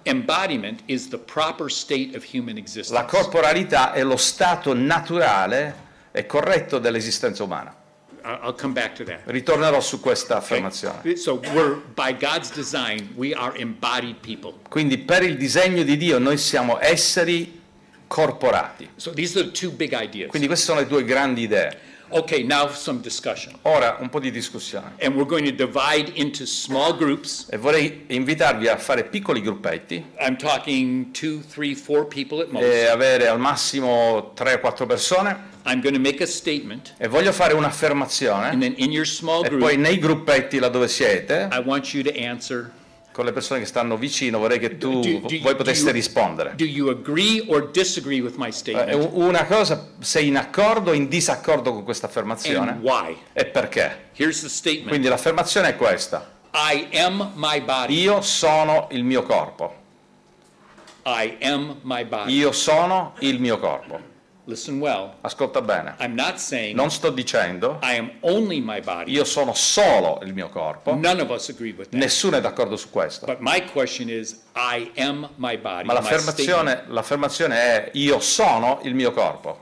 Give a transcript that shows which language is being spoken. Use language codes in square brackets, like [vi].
[en] embodiment is the proper state of human existence. [it] La corporalità è lo stato naturale e corretto dell'esistenza umana. [en] I'll come back to that. [it] Ritornerò su questa affermazione. [en] Okay. So we're, by God's design, we are embodied people. [it] Quindi per il disegno di Dio noi siamo esseri corporati. [en] So these are two big ideas. [it] Quindi queste sono le due grandi idee. [en] Okay, now some discussion. [it] Ora un po' di discussione. [en] And we're going to divide into small groups. [it] E vorrei invitarvi a fare piccoli gruppetti. [en] I'm talking 2, 3, 4 people at most. [it] E avere al massimo 3-4 persone. [en] I'm going to make a statement. [it] E voglio fare un'affermazione. [en] And then in your small group. [it] E poi nei gruppetti là dove siete. [en] I want you to answer. [it] Con le persone che stanno vicino vorrei che tu voi poteste rispondere. [en] Do you agree or disagree with my statement? [it] Una cosa, sei in accordo o in disaccordo con questa affermazione? [en] And why? [it] E perché? [en] Here's the statement. [it] Quindi l'affermazione è questa. [en] I am my body. [it] Io sono il mio corpo. [en] I am my body. [it] Io sono il mio corpo. [en] Listen well. [it] Ascolta bene. [en] I'm not saying. [it] Non sto dicendo. [en] I am only my body. [it] Io sono solo il mio corpo. [en] None of us agree with that. [it] Nessuno è d'accordo su questo. [en] But my question is, I am my body. [it] Ma l'affermazione è io sono il mio corpo.